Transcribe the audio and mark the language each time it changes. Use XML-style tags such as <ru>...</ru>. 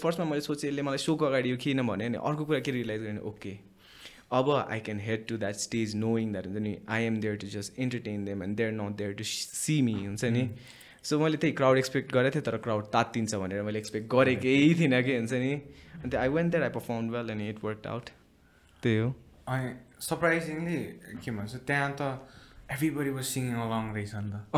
<ne>फर्स्टमा मैले सोचेँ यसले मलाई सोको अगाडि यो किन भने, अनि अर्को कुरा के रियलाइज गरेँ,</ne> <en>Okay अब I can head to that stage knowing that हुन्छ नि I am there to just entertain them and they're not there to see me हुन्छ नि.</en> <ne>सो मैले त्यही क्राउड एक्सपेक्ट गरेको थिएँ, तर क्राउड तात्तिन्छ भनेर मैले एक्सपेक्ट गरेकै थिइनँ कि हुन्छ नि.</ne> <en>अन्त I went there, I perform well and it work out.</en> <ne>त्यही हो अनि सरप्राइजिङली के भन्छ त्यहाँ त</ne> <en>everybody was singing along</en> <ne>रहेछ नि त.</ne>